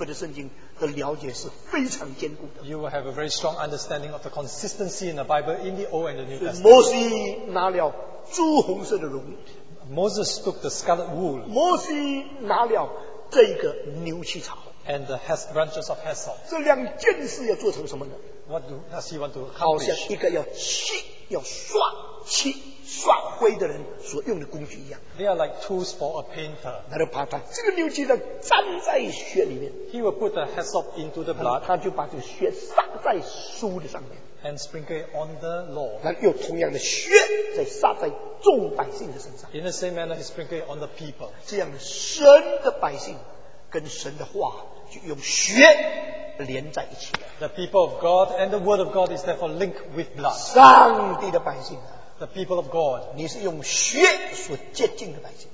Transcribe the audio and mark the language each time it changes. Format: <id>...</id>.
<zh>你对前后一贯贯彻始终前后一致的这个全本的圣经的了解是非常坚固的,</zh> <en>you will have a very strong understanding of the consistency in the Bible in the Old and the New Testament.</en> <zh>摩西拿了朱红色的绒,</zh> <en>Moses took the scarlet wool,</en> <zh>摩西拿了这个牛膝草,</zh> <en>and the branches of hyssop.</en> <zh>这两件事要做成什么呢?</zh> <en>What does he want to accomplish?</en> <zh>好像一个要漆刷灰的人所用的工具一样,</zh> <en>they are like tools for a painter.</en> <zh>他就把这个牛膝草粘在血里面,</zh> <en>he will put the hyssop into the blood,</en> <zh>他就把这个血撒在书的上面,</zh> <en>and sprinkle it on the law.</en> <zh>又同样的血再撒在众百姓的身上,</zh> <en>in the same manner he sprinkle it on the people.</en> <zh>这样神的百姓跟神的话,</zh> <en>the people of God and the word of God is therefore linked with blood.</en> <zh>上帝的百姓啊,</zh> <en>the people of God,</en> <zh>你是用血所洁净的百姓,</zh>